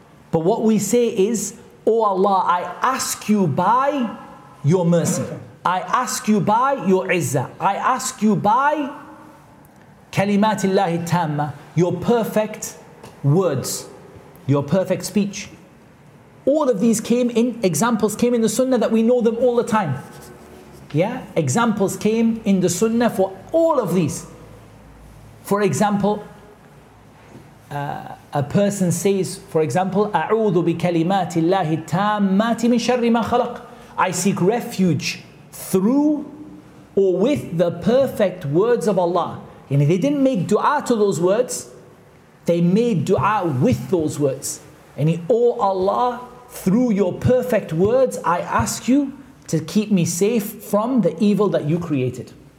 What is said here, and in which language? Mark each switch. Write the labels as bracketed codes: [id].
[en] But what we say is, O Allah, I ask you by your mercy, I ask you by your izzah, I ask you by kalimatillahi tamma, your perfect words, your perfect speech. All of these came in, examples came in the sunnah that we know them all the time. Yeah? Examples came in the sunnah for all of these. For example, a person says, for example, [ar] أعوذ بكلمات الله التامات من شر ما خلق. [en] I seek refuge through or with the perfect words of Allah. And if they didn't make dua to those words, they made dua with those words. And oh Allah, through your perfect words, I ask you to keep me safe from the evil that you created.